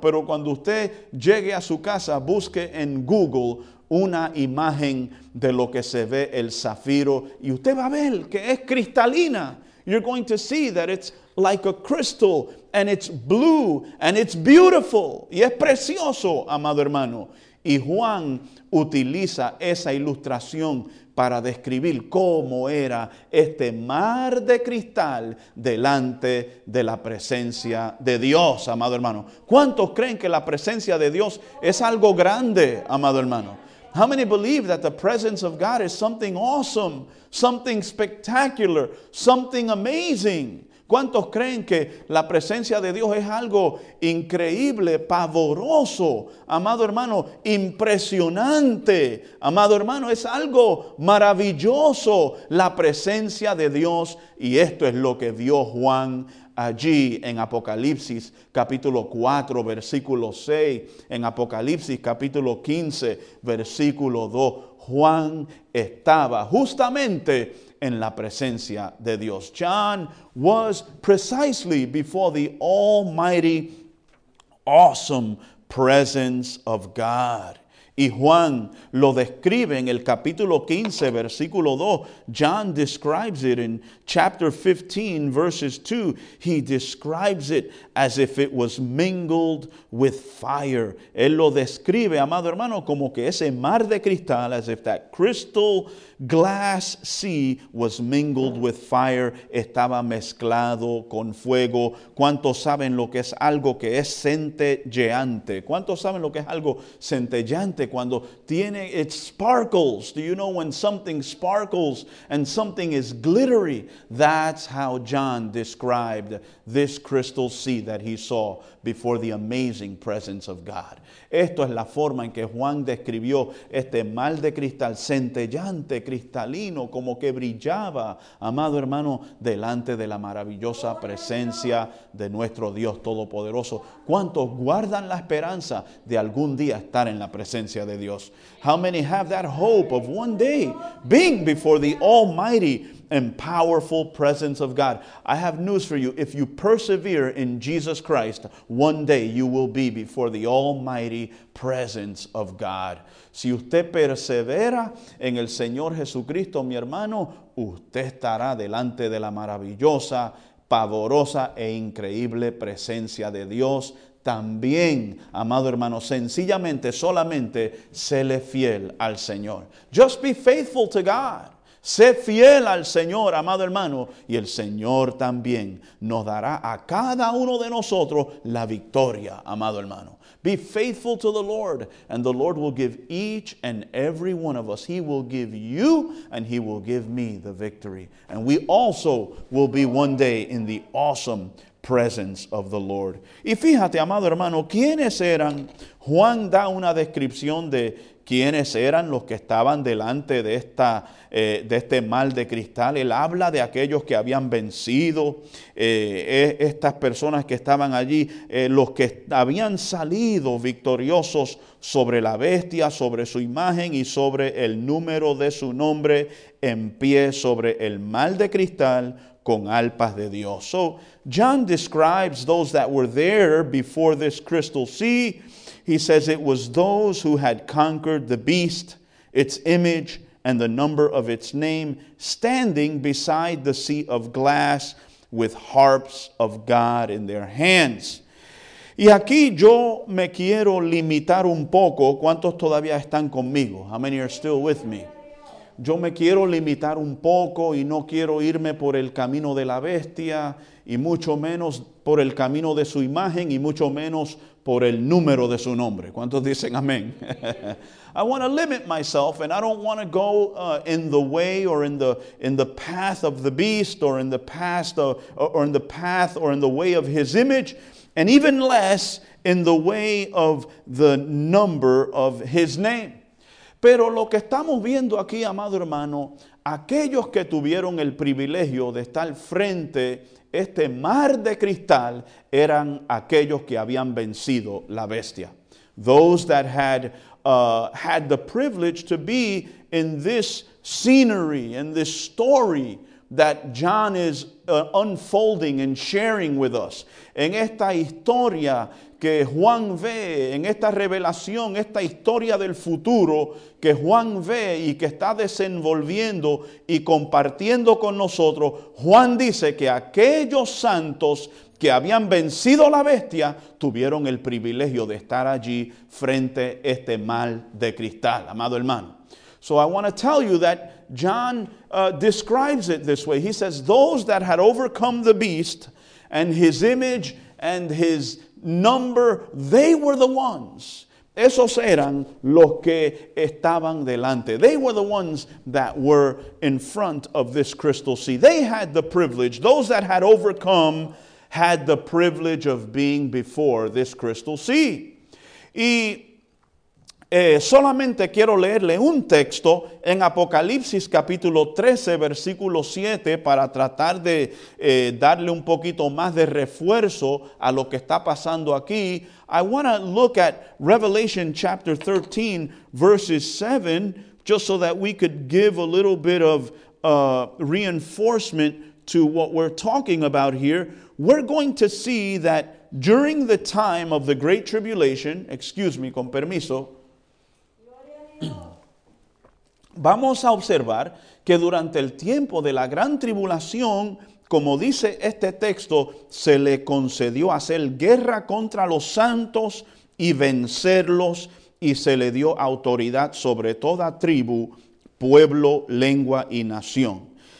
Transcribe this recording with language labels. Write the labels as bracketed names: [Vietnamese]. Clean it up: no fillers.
[Spanish] Pero cuando usted llegue a su casa, busque en Google una imagen de lo que se ve el zafiro, y usted va a ver que es cristalina. [English] You're going to see that it's like a crystal, and it's blue, and it's beautiful. [Spanish] Y es precioso, amado hermano. Y Juan utiliza esa ilustración para describir cómo era este mar de cristal delante de la presencia de Dios, amado hermano. ¿Cuántos creen que la presencia de Dios es algo grande, amado hermano? [English] How many believe that the presence of God is something awesome, something spectacular, something amazing? [Spanish] ¿Cuántos creen que la presencia de Dios es algo increíble, pavoroso, amado hermano, impresionante? Amado hermano, es algo maravilloso la presencia de Dios. Y esto es lo que vio Juan allí en Apocalipsis capítulo 4, versículo 6, en Apocalipsis capítulo 15, versículo 2. Juan estaba justamente en la presencia de Dios. [English] John was precisely before the almighty, awesome presence of God. [Spanish] Y Juan lo describe en el capítulo 15, versículo 2. [English] John describes it in chapter 15, verses 2. He describes it as if it was mingled with fire. [Spanish] Él lo describe, amado hermano, como que ese mar de cristal, [English] as if that crystal glass sea was mingled with fire, [Spanish] estaba mezclado con fuego. ¿Cuántos saben lo que es algo que es centelleante? ¿Cuántos saben lo que es algo centelleante? Cuando tiene, [English] it sparkles. Do you know when something sparkles and something is glittery? That's how John described this crystal sea that he saw before the amazing presence of God. [Spanish] Esto es la forma en que Juan describió este mar de cristal, centellante, cristalino, como que brillaba, amado hermano, delante de la maravillosa presencia de nuestro Dios Todopoderoso. ¿Cuántos guardan la esperanza de algún día estar en la presencia de Dios? [English] How many have that hope of one day being before the Almighty and powerful presence of God? I have news for you. If you persevere in Jesus Christ, one day you will be before the Almighty presence of God. [Spanish] Si usted persevera en el Señor Jesucristo, mi hermano, usted estará delante de la maravillosa, pavorosa e increíble presencia de Dios. También, amado hermano, sencillamente, solamente, séle fiel al Señor. [English] Just be faithful to God. [Spanish] Sé fiel al Señor, amado hermano, y el Señor también nos dará a cada uno de nosotros la victoria, amado hermano. [English] Be faithful to the Lord, and the Lord will give each and every one of us. He will give you, and He will give me the victory. And we also will be one day in the awesome presence of the Lord. [Spanish] Y fíjate, amado hermano, ¿quiénes eran? Juan da una descripción de quiénes eran los que estaban delante de esta de este mar de cristal. Él habla de aquellos que habían vencido, estas personas que estaban allí, los que habían salido victoriosos sobre la bestia, sobre su imagen y sobre el número de su nombre, en pie sobre el mar de cristal con alpas de Dios. [English] So John describes those that were there before this crystal sea. He says it was those who had conquered the beast, its image, and the number of its name, standing beside the sea of glass with harps of God in their hands. [Spanish] Y aquí yo me quiero limitar un poco. ¿Cuántos todavía están conmigo? [English] How many are still with me? [Spanish] Yo me quiero limitar un poco y no quiero irme por el camino de la bestia y mucho menos por el camino de su imagen y mucho menos por el número de su nombre. ¿Cuántos dicen amén? [English] I want to limit myself and I don't want to go in the way or in the path of the beast or in the past or in the path or in the way of his image and even less in the way of the number of his name. [Spanish] Pero lo que estamos viendo aquí, amado hermano, aquellos que tuvieron el privilegio de estar frente a este mar de cristal eran aquellos que habían vencido la bestia. [English] Those that had had the privilege to be in this scenery, in this story that John is unfolding and sharing with us. [Spanish] En esta historia que Juan ve, en esta revelación, esta historia del futuro que Juan ve y que está desenvolviendo y compartiendo con nosotros, Juan dice que aquellos santos que habían vencido la bestia tuvieron el privilegio de estar allí frente a este mar de cristal, amado hermano. [English] So I want to tell you that John describes it this way. He says, those that had overcome the beast and his image and his number, they were the ones. [Spanish] Esos eran los que estaban delante. [English] They were the ones that were in front of this crystal sea. They had the privilege. Those that had overcome had the privilege of being before this crystal sea. [Spanish] Y solamente quiero leerle un texto en Apocalipsis capítulo 13, versículo 7, para tratar de darle un poquito más de refuerzo a lo que está pasando aquí. [English] I want to look at Revelation chapter 13, verses 7, just so that we could give a little bit of reinforcement to what we're talking about here. We're going to see that during the time of the Great Tribulation, excuse me, [Spanish] con permiso, Vamos a observar que durante el tiempo de la gran tribulación, como dice este texto, se le concedió hacer guerra contra los santos y vencerlos, y se le dio autoridad sobre toda tribu, pueblo, lengua y nación.